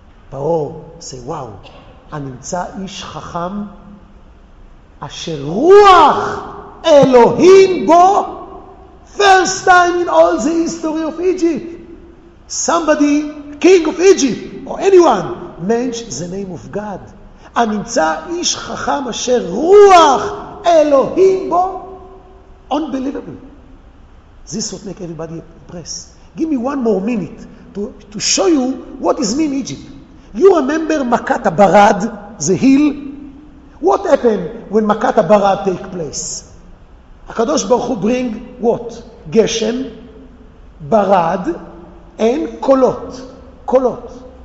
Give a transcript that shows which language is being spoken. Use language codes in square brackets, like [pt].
[en] Paro, say, wow, [he] anemtza ish chacham, אשר רוח אלוהים בו, [en] first time in all the history of Egypt, somebody, king of Egypt, or anyone, mention the name of God. [he] הנמצא איש חכם אשר רוח אלוהים בו, [en] unbelievable. This would make everybody impressed. Give me one more minute to show you what is mean Egypt. You remember מכת הברד, the hill? What happened when Makat HaBarad take place? HaKadosh Baruch Hu bring what? Geshem, Barad, and Kolot. Kolot.